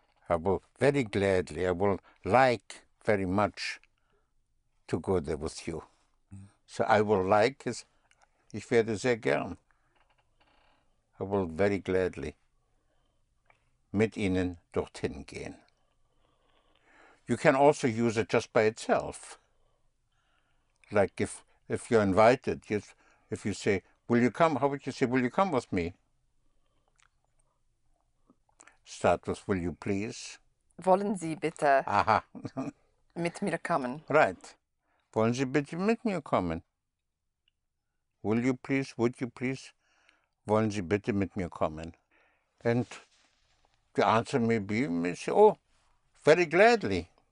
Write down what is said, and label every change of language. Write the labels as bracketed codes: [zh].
[en] I will very much to go there with you. So I will like is, [de] ich werde sehr gern. [en] I will very gladly [de] mit Ihnen dorthin gehen. [en] You can also use it just by itself. Like if you're invited, if you say, will you come? How would you say, will you come with me? Start with, will you please? [de] Wollen Sie bitte mit mir kommen? [en] Right. [de] Wollen Sie bitte mit mir kommen? [en] Will you please? Would you please? [de] Wollen Sie bitte mit mir kommen? [en] And the answer may be, very gladly.